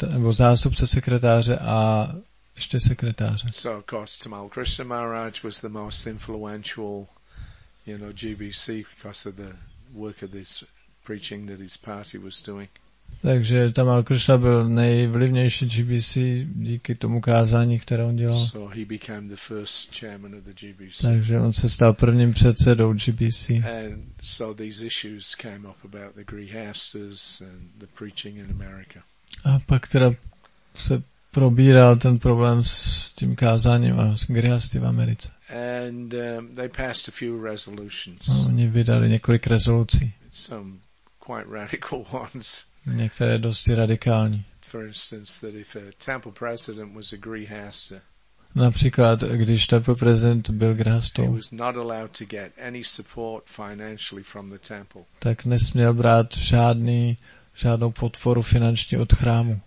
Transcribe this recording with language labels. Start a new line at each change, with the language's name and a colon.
Czech: Zástupce sekretáře a ještě sekretáře.
English: So of course Tamal Krishna Maharaj was the most influential, you know, GBC because of the work of this preaching that his party was doing.
Czech: Takže Tamal Krishna byl nejvlivnější GBC díky tomu kázání, které on dělal.
English: So he became the first chairman of the GBC.
Czech: Takže on se stal prvním předsedou GBC.
English: And so these issues came up about the grihasthas and the preaching in America.
Czech: A pak teda se probíral ten problém s tím kázáním a grihasty v Americe.
English: And they passed a few resolutions.
Czech: No, oni vydali několik rezolucí.
English: Some quite radical ones.
Czech: Některé dosti radikální.
English: For instance, that if a temple president was a grihasta.
Czech: Například, když temple president byl grihastou.
English: He was not allowed to get any support financially from the temple.
Czech: Tak nesměl brát žádnou podporu finanční od chrámu.